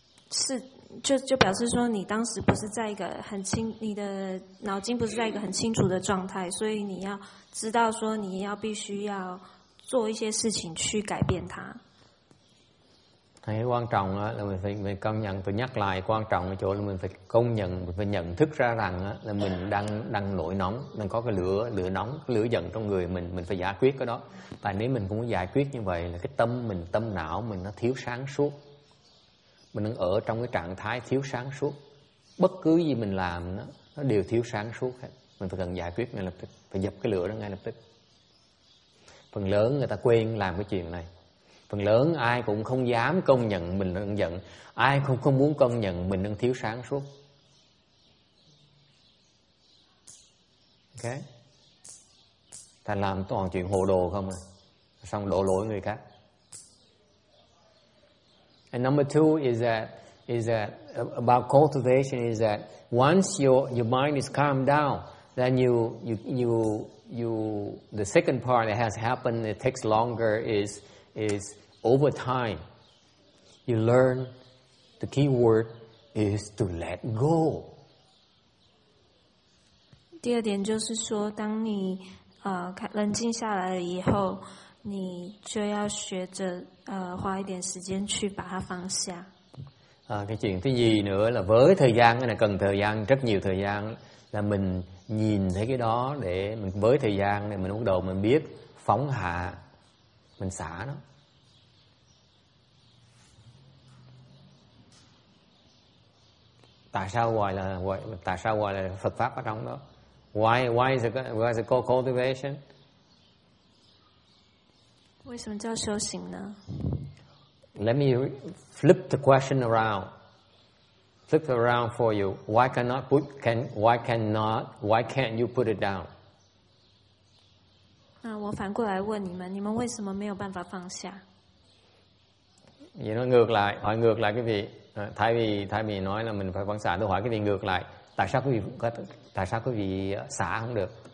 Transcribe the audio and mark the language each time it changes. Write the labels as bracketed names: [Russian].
[Chinese] 是就表示说你当时不是在一个很清你的脑筋不是在一个很清楚的状态，所以你要知道说你要必须要做一些事情去改变它。 [Vietnamese] Thấy quan trọng á là mình phải công nhận, tôi nhắc lại quan trọng ở chỗ là mình phải công nhận, mình phải nhận thức ra rằng á là mình đang nổi nóng, đang có cái lửa nóng, cái lửa giận trong người mình phải giải quyết cái đó. Tại nếu mình không giải quyết như vậy là cái tâm mình, tâm não mình nó thiếu sáng suốt. Mình đang ở trong cái trạng thái thiếu sáng suốt. Bất cứ gì mình làm nó đều thiếu sáng suốt hết. Mình phải cần giải quyết ngay lập tức, phải dập cái lửa đó ngay lập tức. Phần lớn người ta quên làm cái chuyện này. Phần lớn ai cũng không dám công nhận mình đang giận, ai cũng không muốn công nhận mình đang thiếu sáng suốt. Ok. Ta làm toàn chuyện hồ đồ không à, xong đổ lỗi người khác. [English] And number two is that about cultivation is that once your mind is calmed down, then you the second part that has happened, it takes longer, is over time you learn the key word is to let go. [Chinese] 第二点就是说，当你冷静下来了以后，你就要学着花一点时间去把它放下。 [Vietnamese] À, cái chuyện thứ gì nữa là với thời gian, cái này cần thời gian, rất nhiều thời gian, là mình nhìn thấy cái đó để mình, với thời gian để mình bắt đầu mình biết phóng hạ, mình xả nó. Tại sao gọi là Phật pháp ở trong đó? [English] Why is it called cultivation? [Chinese] 为什么叫修行呢？ [English] Let me flip the question around. Flip it around for you. Why can't you put it down? [Chinese] 那我反过来问你们，你们为什么没有办法放下？你说 [Vietnamese] ngược lại, hỏi ngược lại quý vị. Thay vì nói là mình phải phóng xả, tôi hỏi quý vị ngược lại. Tại sao quý vị xả không được?